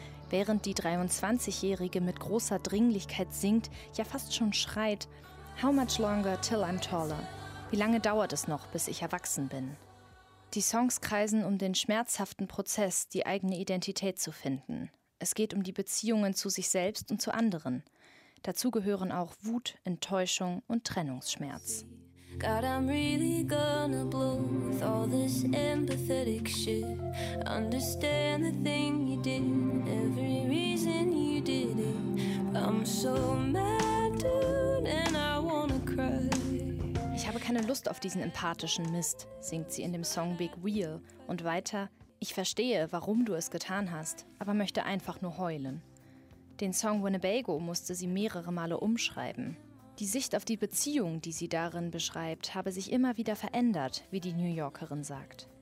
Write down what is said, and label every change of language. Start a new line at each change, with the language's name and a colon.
German: Während die 23-Jährige mit großer Dringlichkeit singt, ja fast schon schreit,
English: How much longer till I'm taller?
German: Wie lange dauert es noch, bis ich erwachsen bin? Die Songs kreisen um den schmerzhaften Prozess, die eigene Identität zu finden. Es geht um die Beziehungen zu sich selbst und zu anderen. Dazu gehören auch Wut, Enttäuschung und Trennungsschmerz.
English: God, I'm really gonna blow with all this empathetic shit. Understand the thing you did, every reason you did it. I'm so mad, dude, and I wanna cry.
German: Ich habe keine Lust auf diesen empathischen Mist, singt sie in dem Song Big Wheel. Und weiter, ich verstehe, warum du es getan hast, aber möchte einfach nur heulen. Den Song Winnebago musste sie mehrere Male umschreiben. Die Sicht auf die Beziehung, die sie darin beschreibt, habe sich immer wieder verändert, wie die New Yorkerin sagt.